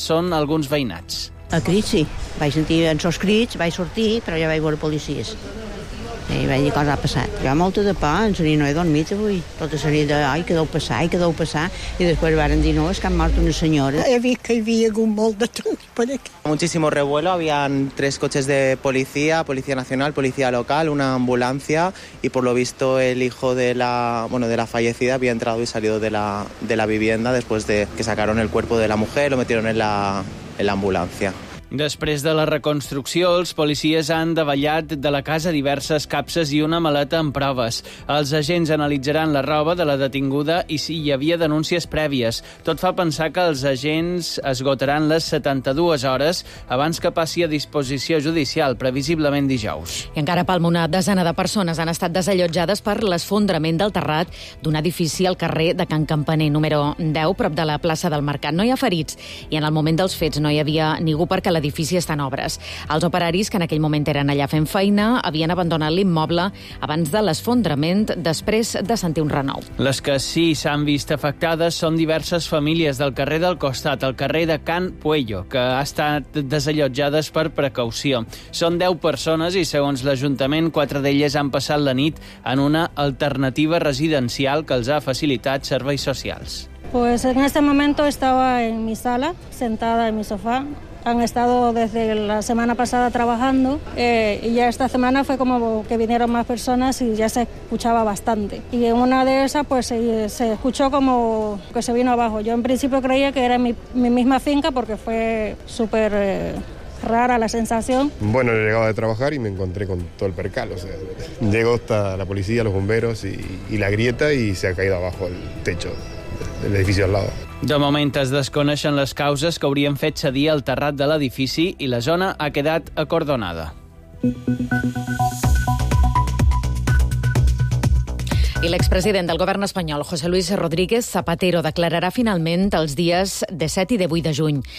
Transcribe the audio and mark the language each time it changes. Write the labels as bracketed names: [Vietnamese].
[Catalan] Són alguns veïnats. El crit, sí. Vaig sentir en sos crits, vaig sortir, però ja vaig veure policies. I vaig dir cosa ha passat. Jo molta de por, en seria, no he dormit avui. Tota seria de, ai, què deu passar, ai, què deu passar. I després varen dir, no, és que han mort una senyora. He vist que hi havia hagut molt de tot per aquí. [Spanish] Muchísimo revuelo, habían tres coches de policía, policía nacional, policía local, una ambulancia, y por lo visto el hijo de la, bueno, de la fallecida había entrado y salido de la vivienda después de que sacaron el cuerpo de la mujer, lo metieron en la... [Catalan] en l'ambulància. Després de la reconstrucció, els policies han davallat de la casa diverses capses i una maleta amb proves. Els agents analitzaran la roba de la detinguda i si hi havia denúncies prèvies. Tot fa pensar que els agents esgotaran les 72 hores abans que passi a disposició judicial, previsiblement dijous. I encara a Palma, una desena de persones han estat desallotjades per l'esfondrament del terrat d'un edifici al carrer de Can Campaner, número 10, prop de la plaça del Mercat. No hi ha ferits i en el moment dels fets no hi havia ningú perquè l'edifici està en obres. Els operaris, que en aquell moment eren allà fent feina, havien abandonat l'immoble abans de l'esfondrament després de sentir un renou. Les que sí s'han vist afectades són diverses famílies del carrer del costat, el carrer de Can Puello, que ha estat desallotjades per precaució. Són 10 persones i, segons l'Ajuntament, 4 d'elles han passat la nit en una alternativa residencial que els ha facilitat serveis socials. [Spanish] Pues en este momento estaba en mi sala, sentada en mi sofá. Han estado desde la semana pasada trabajando y ya esta semana fue como que vinieron más personas y ya se escuchaba bastante. Y en una de esas pues se escuchó como que se vino abajo. Yo en principio creía que era mi misma finca porque fue súper rara la sensación. Bueno, he llegado de trabajar y me encontré con todo el percal. O sea, llegó hasta la policía, los bomberos y la grieta y se ha caído abajo el techo del edificio al lado. [Catalan] De moment es desconeixen les causes que haurien fet cedir el terrat de l'edifici i la zona ha quedat acordonada. I l'expresident del govern espanyol, José Luis Rodríguez Zapatero, declararà finalment els dies de 7 i de 8 de juny.